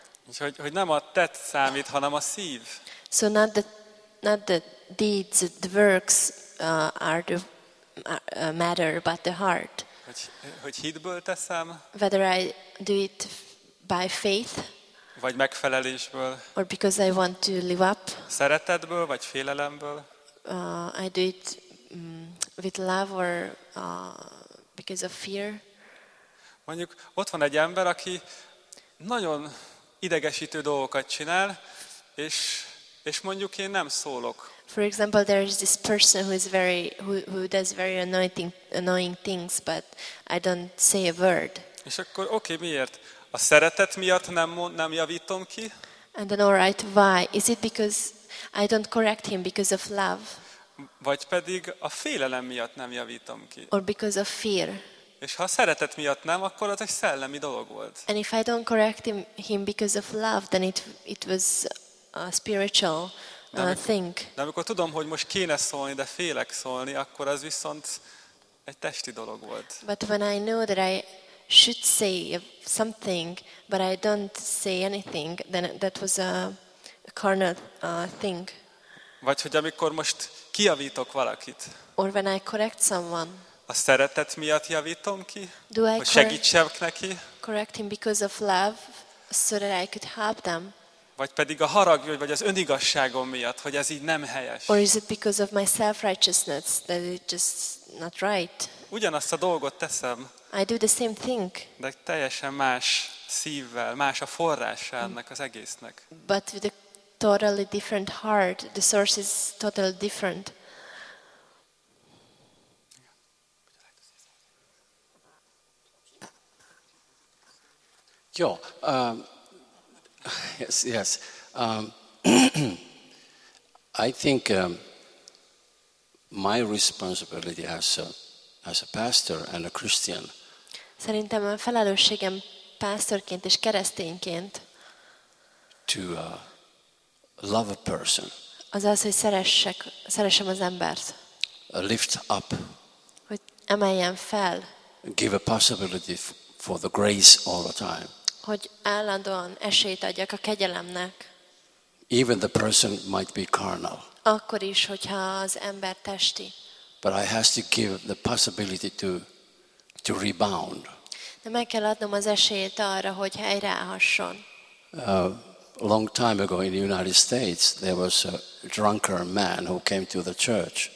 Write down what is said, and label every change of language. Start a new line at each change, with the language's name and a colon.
Hungarian: És hogy nem a tett számít, hanem a szív.
English: So not the deeds, the works are the matter, but the heart.
Hungarian: Hogy hitből teszem?
English: Whether I do it by faith?
Hungarian: Vagy megfelelésből?
English: Or because I want to live up?
Hungarian: Szeretetből vagy félelemből?
English: I do it with love or because of fear?
Hungarian: Mondjuk ott van egy ember, aki nagyon idegesítő dolgokat csinál, és mondjuk én nem szólok.
English: For example, there is this person who is very who does very annoying things, but I don't say a word.
Hungarian: És akkor oké, miért? A szeretet miatt nem javítom ki?
English: And then all right, why? Is it because I don't correct him because of love?
Hungarian: Vagy pedig a félelem miatt nem javítom ki?
English: Or because of fear.
Hungarian: És ha a szeretet miatt nem, akkor az egy szellemi dolog volt.
English: And if I don't correct him because of love, then it was a spiritual.
Hungarian: De amikor tudom, hogy most kéne szólni, de félek szólni, akkor az viszont egy testi dolog volt.
English: But when I know that I should say something, but I don't say anything, then that was a carnal thing.
Hungarian: Vagy hogy amikor most kijavítok valakit.
English: Or when I correct someone.
Hungarian: A szeretet miatt javítom ki.
English: Do I
Hungarian: segítsek neki?
English: Correct him because of love, so that I could help them.
Hungarian: Vagy pedig a harag, vagy az önigazságom miatt, hogy ez így nem helyes.
English: Or is it because of my self-righteousness that it's just not right?
Hungarian: Ugyanazt a dolgot teszem.
English: I do the same thing.
Hungarian: De teljesen más szívvel, más a forrása ennek az egésznek.
English: But with a totally different heart, the source is totally different. Jó, yes, yes. I think my responsibility as a pastor and a Christian.
Hungarian: Szerintem a felelősségem pásztorként és keresztényként.
English: To love a person.
Hungarian: Azaz, hogy szeressem az embert.
English: Lift up.
Hungarian: Hogy emeljem fel.
English: Give a possibility for the grace all the time.
Hungarian: Hogy állandóan esélyt adjak a kegyelemnek.
English: Even the person might be carnal.
Hungarian: Akkor is, hogyha az ember testi.
English: But I have to give the possibility to rebound.
Hungarian: De meg kell adnom az esélyt arra, hogy helyreállhasson.
English: Long time ago in the United States there was a drunker man who came to the church.